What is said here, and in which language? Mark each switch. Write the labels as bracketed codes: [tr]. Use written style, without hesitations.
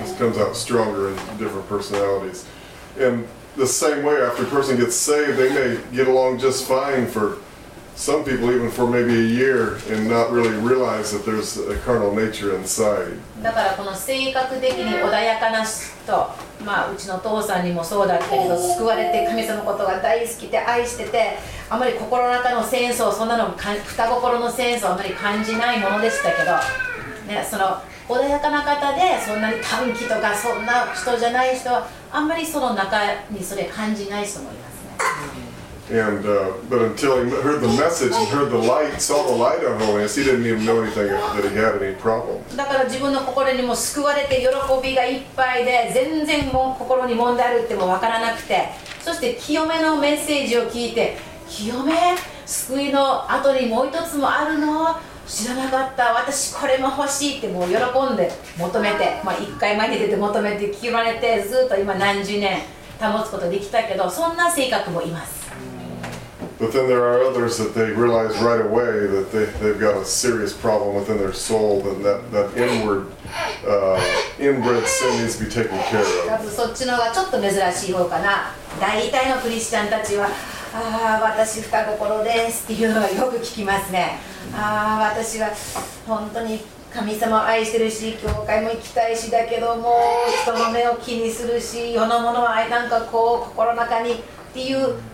[en] This comes out stronger in different personalities. And the same way, after a person gets saved, they may get along just fine for some people, even for maybe a year, and not really realize that there's a carnal nature inside. [ja] だからこの性格的に穏やかな人、まあうちの父さんにもそうだったけど、救われて神様のことが大好きで愛してて、あまり心の中の戦争、そんなの双心の戦争あまり感じないものでしたけど、ね、その穏やかな方でそんなに短気とかそんな人じゃない人は、あんまりその中にそれ感じない人もいますね。 [en] And but until he heard the message, he heard the light, saw the light on holiness, he didn't even know anything that he had any problem. [ja] だから自分の心にも救われて喜びがいっぱいで、全然もう心に問題あるってもわからなくて、そして清めのメッセージを聞いて、清め、救いの後にもう一つもあるの、知らなかった、私これも欲しいってもう喜んで求めて、まあ一回前に出て求めて清められて、ずっと今何十年保つことできたけど、そんな性格もいます。 [en] But then there are others that they realize right away that they've got a serious problem within their soul, and that inward, inbred sin needs to be taken care of. [ja] そっちの方がちょっと珍しい方かな。大体のクリスチャンたちは、ああ私双心ですっていうのはよく聞きますね。ああ私は本当に神様を愛してるし、教会も行きたいし、だけども人の目を気にするし、世のものはなんかこう心の中にっていう。